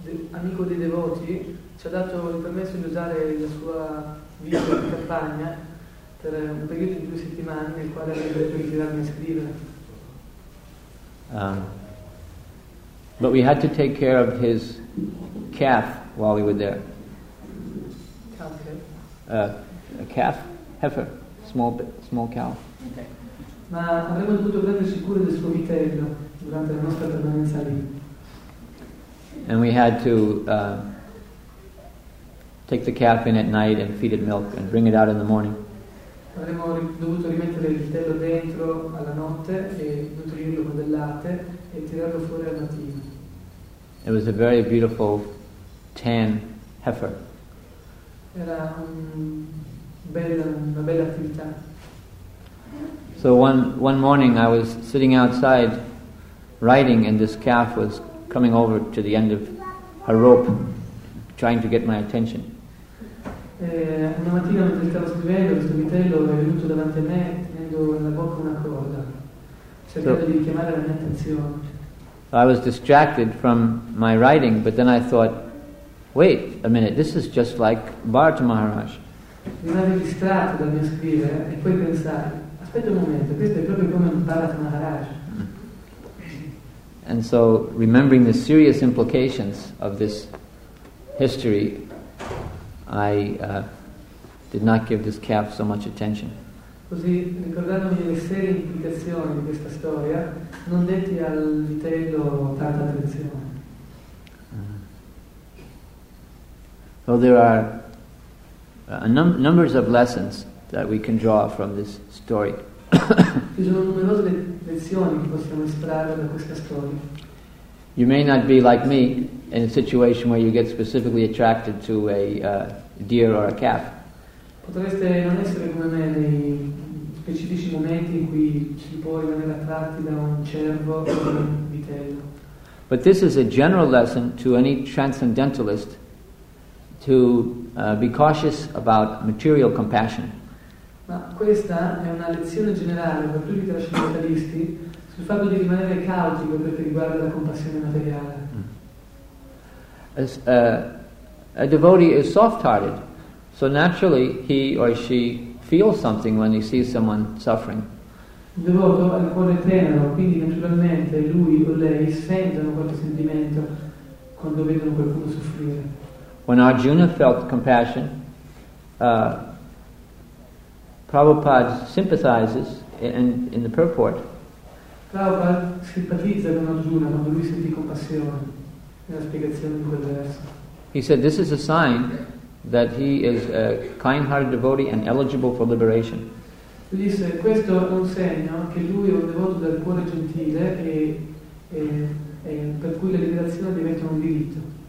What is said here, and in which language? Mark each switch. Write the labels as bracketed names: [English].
[Italian] Amico dei devoti ci ha dato il permesso di usare la sua villa di campagna per un periodo di 2 settimane nel quale avrebbe ritirarmi a scrivere. [English] But we had to take care of his calf while we were there. A calf, heifer, small cow. [Italian] Ma avremmo dovuto prendersi cura del suo vitello durante la nostra permanenza lì. [English] And we had to take the calf in at night and feed it milk and bring it out in the morning. [Italian] Avremmo dovuto rimettere il vitello dentro alla notte e nutrirlo con del latte e tirarlo fuori al mattino. [English] It was a very beautiful tan heifer. [Italian] Era una bella attività. [English] So one morning I was sitting outside writing and this calf was coming over to the end of her rope, trying to get my attention. [Italian] Una mattina mentre stavo scrivendo, questo vitello è venuto davanti a me, tenendo nella bocca una corda, cercando di richiamare la mia attenzione. [English] I was distracted from my writing, but then I thought, wait a minute, this is just like Bharata Maharaj. [Italian] Rimasi distratto dal mio scrivere e poi pensai, aspetta un momento, questo è proprio come Bharata Maharaj. [English] And so, remembering the serious implications of this history, I did not give this calf so much attention. [Italian] Così, ricordandomi le serie di implicazioni di questa storia, non detti al vitello tanta attenzione. [English] So there are numbers of lessons that we can draw from this story. [Italian] Ci sono numerose lezioni che possiamo estrarre da questa storia. [English] You may not be like me in a situation where you get specifically attracted to a deer or a calf. [Italian] Potreste non essere come me nei specifici momenti in cui si può rimanere attratti da un cervo o un vitello. [English] But this is a general lesson to any transcendentalist to be cautious about material compassion. [Italian] Ma questa è una lezione generale per tutti i trascendentalisti sul fatto di rimanere cauti per quel che riguarda la compassione materiale. [English] A devotee is soft-hearted, so naturally he or she feels something when he sees someone suffering. [Italian] Un devoto ha il cuore tenero, quindi naturalmente lui o lei sentono qualche sentimento quando vedono qualcuno soffrire. [English] When Arjuna felt compassion, Prabhupada sympathizes in the purport. [Italian] Prabhupada simpatizza con Arjuna quando lui sentì compassione nella spiegazione di quel verso. [English] He said this is a sign that he is a kind-hearted devotee and eligible for liberation. [Italian] Lui disse questo è un segno che lui è un devoto del cuore gentile e per cui la liberazione diventa un diritto.